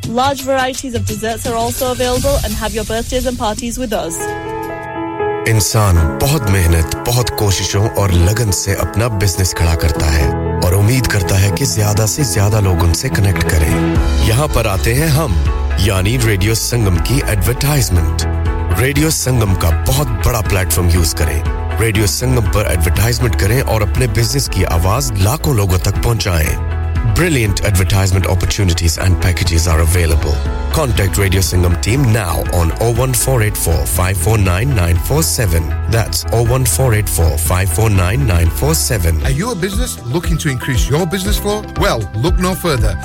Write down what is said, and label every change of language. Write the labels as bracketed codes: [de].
[en] Large varieties of desserts are also available and have your birthdays and parties with us. [hi] इंसान बहुत मेहनत, बहुत कोशिशों और लगन से अपना बिजनेस खड़ा करता है और उम्मीद करता है कि ज्यादा से ज्यादा लोग उनसे कनेक्ट करें। यहाँ पर आते हैं हम, यानी रेडियो संगम की एडवरटाइजमेंट। रेडियो संगम का बहुत बड़ा प्लेटफॉर्म यूज करें, रेडियो संगम पर एडवरटाइजमेंट करें और अपने बिजनेस की आवाज लाखों लोगों तक पहुँचाएं। [en] Brilliant advertisement opportunities and packages are available. Contact Radio Sangam team now on 01484-549-947. That's 01484-549-947. Are you a business looking to increase your business flow? Well, look no further.